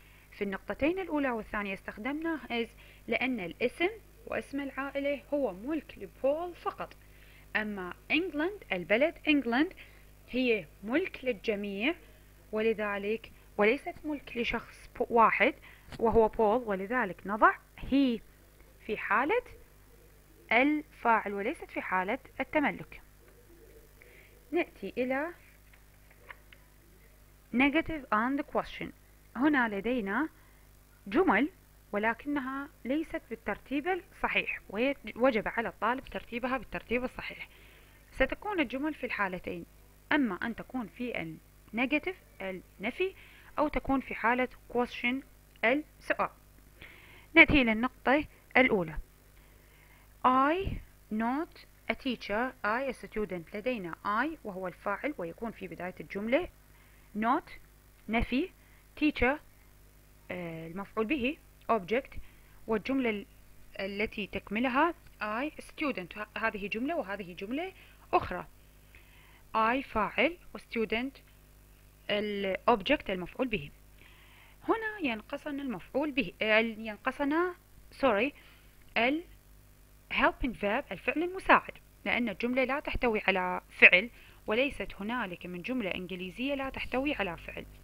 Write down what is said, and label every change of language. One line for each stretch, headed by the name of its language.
Arabic: في النقطتين الأولى والثانية استخدمنا his لأن الاسم واسم العائلة هو ملك لبول فقط، أما England البلد England هي ملك للجميع، ولذلك وليست ملك لشخص واحد وهو بول، ولذلك نضع he في حالة الفاعل وليست في حالة التملك. نأتي إلى
English: negative and question.
Arabic: هنا لدينا جمل ولكنها ليست بالترتيب الصحيح، وجب على الطالب ترتيبها بالترتيب الصحيح. ستكون الجمل في الحالتين، أما أن تكون في النيجاتيف النفي أو تكون في حالة question السؤال. نأتي إلى النقطة الأولى.
English: I not a teacher. I a student.
Arabic: لدينا I وهو الفاعل ويكون في بداية الجملة. Not نفي. Teacher المفعول به object. والجملة التي تكملها
English: I student.
Arabic: هذه جملة وهذه جملة أخرى. I فاعل وstudent الobject المفعول به. هنا ينقصنا المفعول به، ينقصنا sorry ال helping verb الفعل المساعد، لأن الجملة لا تحتوي على فعل، وليست هنالك من جملة إنجليزية لا تحتوي على فعل.